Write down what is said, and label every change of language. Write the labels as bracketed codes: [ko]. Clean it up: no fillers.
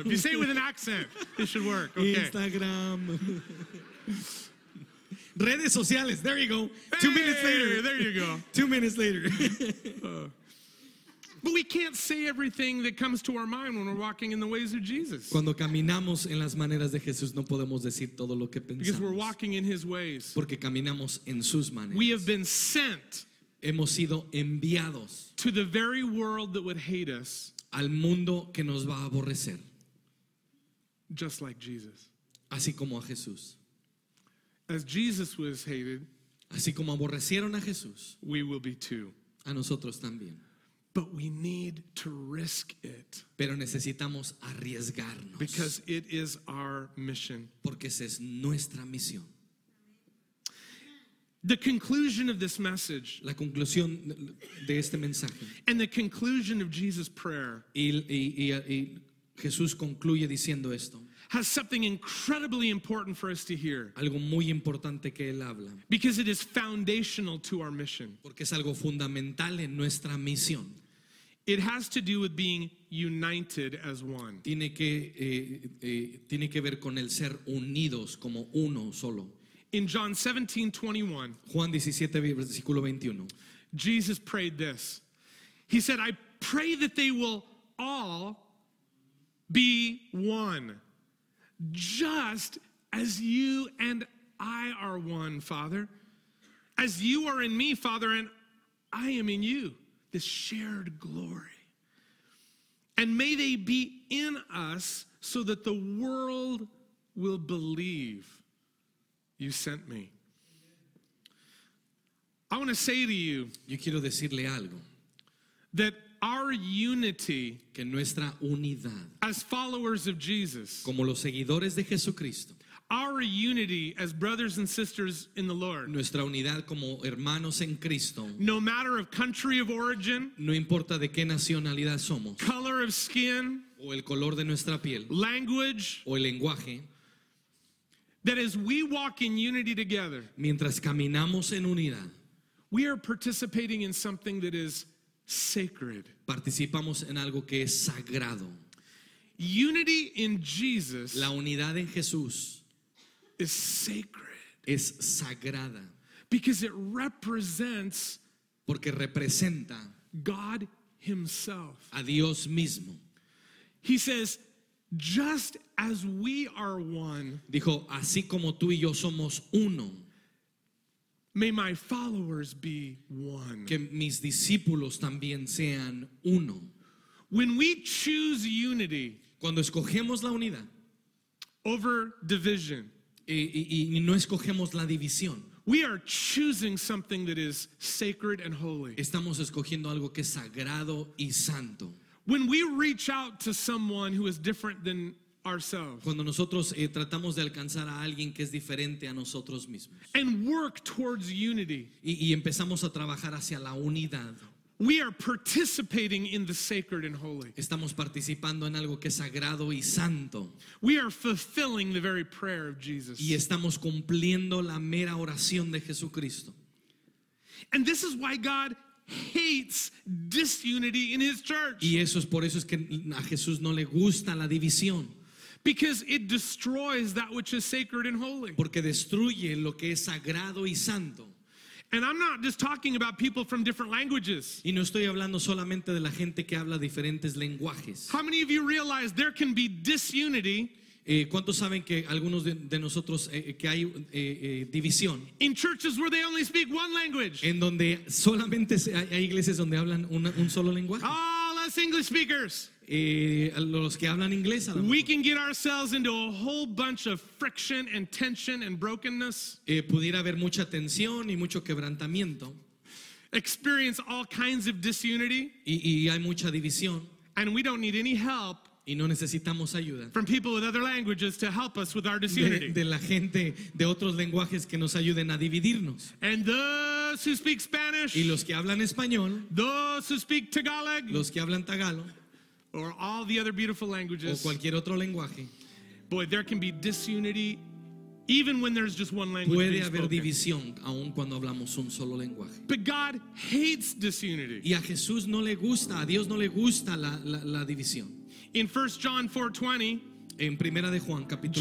[en] If you say it with an accent, it should work. Okay. Instagram. [es] Redes sociales. [en] There you go. Hey, 2 minutes later. There you go. 2 minutes later. But we can't say everything that comes to our mind when we're walking in the ways of Jesus. [es] Cuando caminamos en las maneras de Jesús, no podemos decir todo lo que pensamos. [en] Because we're walking in His ways. [es] Porque caminamos en sus maneras. [en] We have been sent. [es] Hemos sido enviados. [en] To the very world that would hate us. [es] Al mundo que nos va a aborrecer. [en] Just like Jesus. [es] Así como a Jesús. [en] As Jesus was hated. [es] Así como aborrecieron a Jesús. [en] We will be too. [es] A nosotros también. [en] But we need to risk it. [es] Pero necesitamos arriesgarnos. [en] Because it is our mission. [es] Porque esa es nuestra misión. [en] The conclusion of this message. [es] La conclusión de este mensaje. [en] And the conclusion of Jesus' prayer. [es] Y Jesús concluye diciendo esto. [en] Has something incredibly important for us to hear. [es] Algo muy importante que él habla. [en] Because it is foundational to our mission. [es] Porque es algo fundamental en nuestra misión. [en] It has to do with being united as one. [es] Tiene que ver con el ser unidos como uno solo. [en] In John 17:21. [es] Juan 17, versículo 21. [en] Jesus prayed this. He said, I pray that they will all be one. Just as you and I are one, Father. As you are in me, Father, and I am in you. This shared glory. And may they be in us so that the world will believe you sent me. I want to say to you. [es] Yo quiero decirle algo. [en] That our unity, [es] que nuestra unidad, [en] as followers of Jesus, [es] como los seguidores de Jesucristo, [en] our unity as brothers and sisters in the Lord, [es] nuestra unidad como hermanos en Cristo, [en] no matter of country of origin, [es] no importa de qué nacionalidad somos, [en] color of skin, [es] o el color de nuestra piel, [en] language, [es] o el lenguaje, [en] that as we walk in unity together, [es] mientras caminamos en unidad, [en] we are participating in something that is sacred. [es] Participamos en algo que es sagrado. [en] Unity in Jesus. [es] La unidad en Jesús [en] is sacred. [es] Es sagrada. [en] Because it represents. [es] Porque representa. [en] God Himself. [es] A Dios mismo. [en] He says, "Just as we are one." [es] Dijo, así como tú y yo somos uno. [en] May my followers be one. [es] Que mis discípulos también sean uno. [en] When we choose unity, [es] cuando escogemos la unidad, [en] over division, [es] y no escogemos la división, [en] we are choosing something that is sacred and holy. [es] Estamos escogiendo algo que es sagrado y santo. [en] When we reach out to someone who is different than ourselves, [es] cuando nosotros tratamos de alcanzar a alguien que es diferente a nosotros mismos, [en] and work towards unity, [es] y empezamos a trabajar hacia la unidad, [en] we are participating in the sacred and holy. [es] Estamos participando en algo que es sagrado y santo. [en] We are fulfilling the very prayer of Jesus. [es] Y estamos cumpliendo la mera oración de Jesucristo. [en] And this is why God hates disunity in his church. [es] Y eso es por eso es que a Jesús no le gusta la división. [en] Because it destroys that which is sacred and holy. [es] Porque destruye lo que es sagrado y santo. [en] And I'm not just talking about people from different languages. [es] Y no estoy hablando solamente de la gente que habla diferentes lenguajes. [en] How many of you realize there can be disunity? [es] ¿Cuántos saben que algunos de nosotros que hay división? [en] In churches where they only speak one language. [es] En donde solamente hay iglesias donde hablan un solo lenguaje. [en] All us English speakers. [es] Los que hablan inglés, a lo mejor. [en] We can get ourselves into a whole bunch of friction and tension and brokenness. [es] Pudiera haber mucha tensión y mucho quebrantamiento. [en] Experience all kinds of disunity. [es] Y hay mucha división. [en] And we don't need any help. [es] Y no necesitamos ayuda. [en] From people with other languages to help us with our disunity. [es] De la gente de otros lenguajes que nos ayuden a dividirnos. [en] And those who speak Spanish. [es] Y los que hablan español. [en] Those who speak Tagalog. [es] Los que hablan Tagalog. [en] Or all the other beautiful languages. [es] O cualquier otro lenguaje. [en] Boy, there can be disunity even when there's just one language. [es] Puede haber división aun cuando hablamos un solo lenguaje. [en] But God hates disunity. [es] Y a Jesús no le gusta, a Dios no le gusta la división. [en] In 1 John 4:20, [es] en Primera de Juan capítulo